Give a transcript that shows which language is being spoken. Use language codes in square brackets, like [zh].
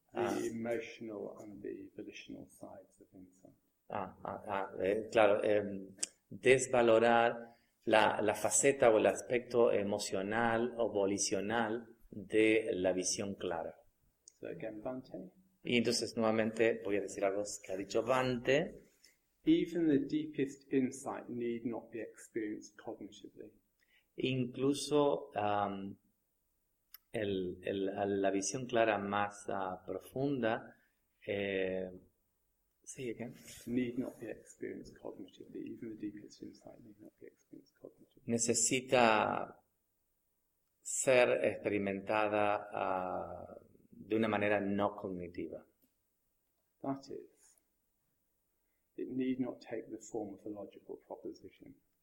[en] The emotional and the volitional sides of insight. [es] Claro, desvalorar la faceta o el aspecto emocional o volicional de la visión clara. [en] So again, Bhante. [es] Y entonces nuevamente voy a decir algo que ha dicho Bhante. [en] Even the deepest insight need not be experienced cognitively. [es] Incluso la visión clara más profunda. [en] Say again. Need not be experienced cognitively. Even the deepest insight need not be experienced cognitively. [es] Necesita ser experimentada de una manera no cognitiva. [en] That is, it need not take the form of a logical proposition.